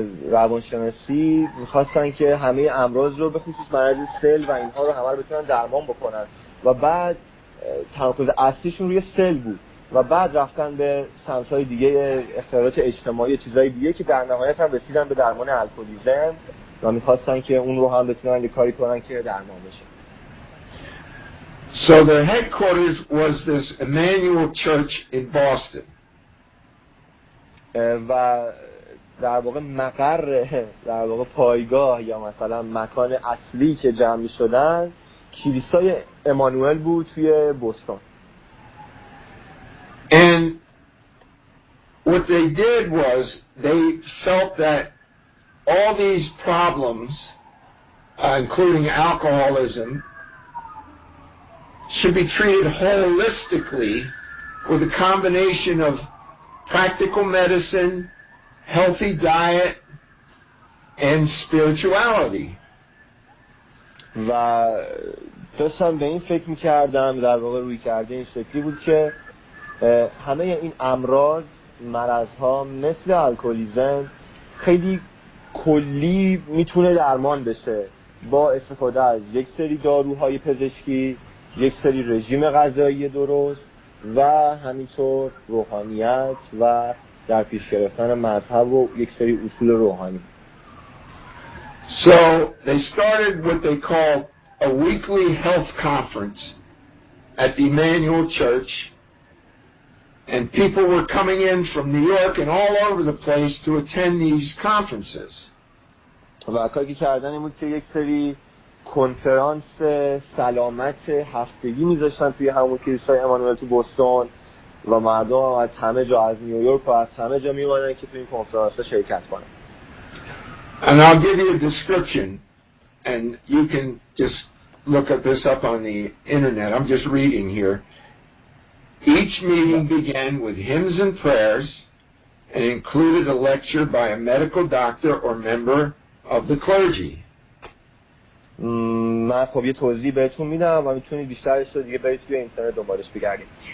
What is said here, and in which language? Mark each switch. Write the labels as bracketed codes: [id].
[fa] روانشناسی می‌خواستن که همه امراض رو به خصوص مرض سل و اینها رو همه رو بتونن درمان بکنن و بعد تمرکز اصلیشون روی سل بود و بعد رفتن به سمت‌های دیگه اختلالات اجتماعی و چیزهای دیگه که در نهایت هم رسیدن به درمان الکلیزم و می‌خواستن که اون رو هم بتونن یه کاری کنن که درمان بشه. [en] So their headquarters was this Emmanuel Church in Boston. [fa] و در واقع مقر، در واقع پایگاه یا مثلا مکان اصلی که جمع شدن کلیسای امانوئل بود توی بوستون. [en] And what they did was they felt that all these problems, including alcoholism, should be treated holistically with a combination of practical medicine, healthy diet, and spirituality. [fa] و داشتم به این فکر میکردم، در واقع روی کرده این شکلی بود که همه این امراض، مرضها مثل الکولیزم خیلی کلی میتونه درمان بشه با استفاده از یک سری داروهای پزشکی، یک سری رژیم غذایی درست و همینطور روحانیت و در پیش گرفتن مذهب و یک سری اصول روحانی. [en] So they started what they call a weekly health conference at the Emmanuel Church, and people were coming in from New York and all over the place to attend these conferences. [fa] و کاری که کردن این بود که یک سری کنفرانس سلامت هفتگی میذاشتن توی همون کلیسای امانوئل تو بوستون و مردم هم از همه جا، از نیویورک و از همه جا میومدن که توی این کنفرانس ها شرکت کنن. [en] And I'll give you a description and you can just look at this up on the internet. I'm just reading here. Each meeting began with hymns and prayers and included a lecture by a medical doctor or member of the clergy. [fa] من خب یه توضیح بهتون میدم و میتونید بیشترش رو دیگه برید توی اینترنت دنبالش بگردید.